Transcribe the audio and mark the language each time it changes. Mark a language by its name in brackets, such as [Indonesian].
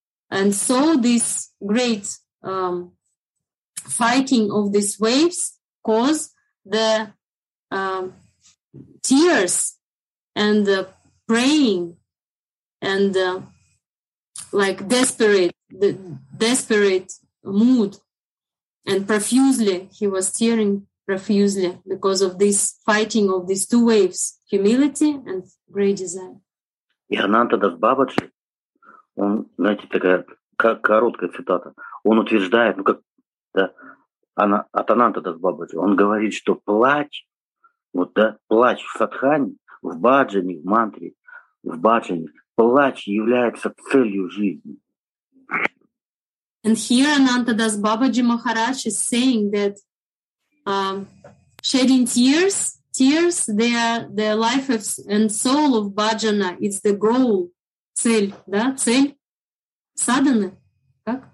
[English] And so this great fighting of these waves cause the tears and praying and like desperate mood. And profusely, he was tearing profusely because of this fighting of these two waves, humility and great desire. [Russian] И Ананта с Бабаджи, он, знаете, такая как короткая цитата, он утверждает, ну как, да, она, от Ананта с Бабаджи, он говорит, что плач, вот, да, плач в садхане, в баджане, в мантре, в баджане, плач является целью жизни. [English] And here Anantadas Babaji Maharaj is saying that shedding tears, they are the life of, and soul of bhajana. It's the goal, [Russian] цель, да, цель, sadhana, как?